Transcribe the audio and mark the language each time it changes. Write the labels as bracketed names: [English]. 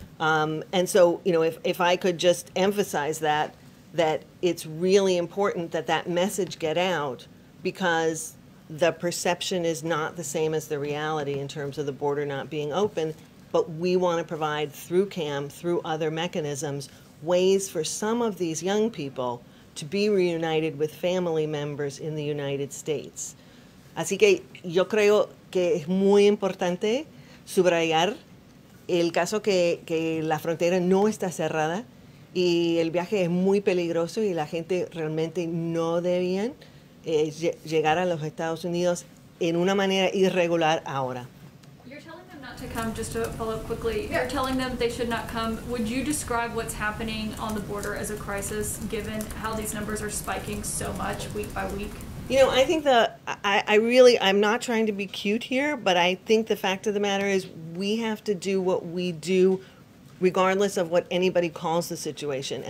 [English] And so, you know, if I could just emphasize that it's really important that message get out, because the perception is not the same as the reality in terms of the border not being open, but we want to provide through CAM, through other mechanisms, ways for some of these young people to be reunited with family members in the United States. [Spanish] Así que yo creo que es muy importante subrayar el caso que la frontera no está cerrada y el viaje es muy peligroso y la gente realmente no debían llegar a los Estados Unidos en una manera irregular ahora. [English] You're telling them not to come, just to follow up quickly. Yeah. You're telling them they should not come. Would you describe what's happening on the border as a crisis, given how these numbers are spiking so much week by week? You know, I think I'm not trying to be cute here, but I think the fact of the matter is we have to do what we do regardless of what anybody calls the situation.